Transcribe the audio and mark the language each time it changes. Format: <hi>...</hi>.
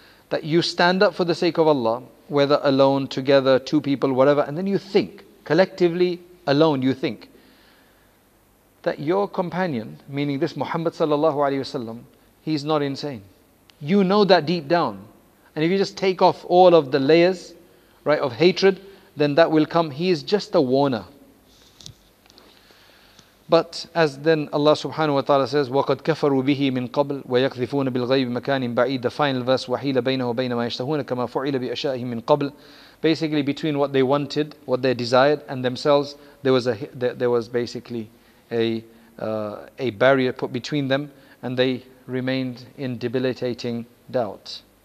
<en>That you stand up for the sake of Allah, whether alone, together, two people, whatever, and then you think, collectively, alone, you think. That your companion, meaning this Muhammad sallallahu alayhi wasallam, he's not insane. You know that deep down. And if you just take off all of the layers, right, of hatred, then that will come. He is just a warner. But as then Allah subhanahu wa ta'ala says,</en> <ar>وَقَدْ كَفَرُوا بِهِ مِنْ قَبْلِ وَيَقْذِفُونَ بِالْغَيْبِ مَكَانٍ بَعِيدٍ.</ar> <en>The final verse,</en> <ar>وَحِيلَ بَيْنَهُ بَيْنَ مَا يَشْتَهُونَ كَمَا فُعِلَ بِأَشَاءِهِ مِنْ قَبْلِ.</ar> <en>Basically, between what they wanted, what they desired, and themselves, there was basically a barrier put between them, and they remained in debilitating doubt.</en>